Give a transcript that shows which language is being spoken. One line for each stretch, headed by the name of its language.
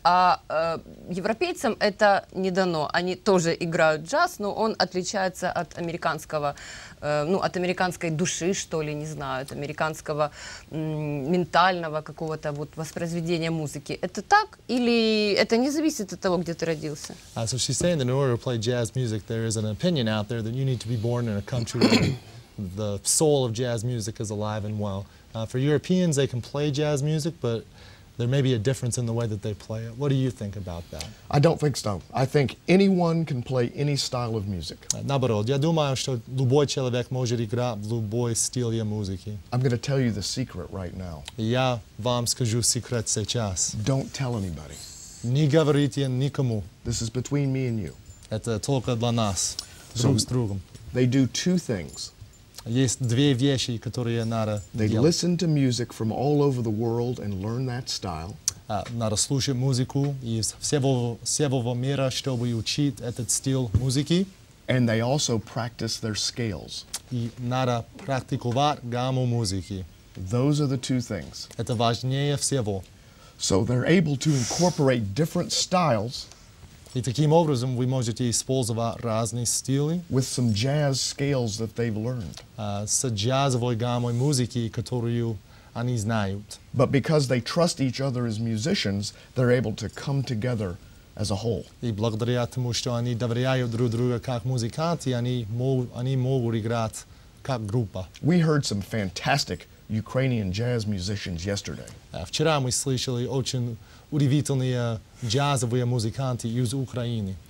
Russian: А европейцам это не дано. Они тоже играют джаз, но он отличается от американского, от американской души, что ли, не знаю, от американского ментального какого-то вот воспроизведения музыки. Это так или это не зависит от того, где ты родился?
English: So she's saying that in order to play jazz music, there is an opinion out there that you need to be born in a country where the soul of jazz music is alive and well. For Europeans, they can play jazz music, but there may be a difference in the way that they play it. What do you think about that? I don't think so. I think anyone can play any style of music.
Russian: Наоборот, я думаю, что любой человек может играть в любой стиле музыки.
English: I'm going to tell you the secret right now.
Russian: Я вам скажу секрет сейчас.
English: Don't tell anybody.
Russian: Не говорите никому.
English: This is between me and you.
Russian: Это только для нас, друг с другом.
English: They do two things.
Russian: Есть две вещи, которые надо
English: They
Russian: делать.
English: Listen to music from all over the world and learn that style.
Russian: Надо слушать музыку из всего мира, чтобы учить этот стиль музыки.
English: And they also practice their scales.
Russian: И надо практиковать гамму музыки.
English: Those are the two things.
Russian: Это важнее всего.
English: So they're able to incorporate different styles.
Russian: И таким образом вы можете использовать разные стили.
English: With some jazz scales that they've learned.
Russian: С джазовой гаммой музыки, которую они знают.
English: But because they trust each other as musicians, they're able to come together as a whole.
Russian: И благодаря тому, что они доверяют друг другу как музыканты, они могут играть как группа.
English: We heard some fantastic Ukrainian jazz musicians yesterday.
Russian: Вчера мы слышали очень удивительные джазовые музыканты из Украины.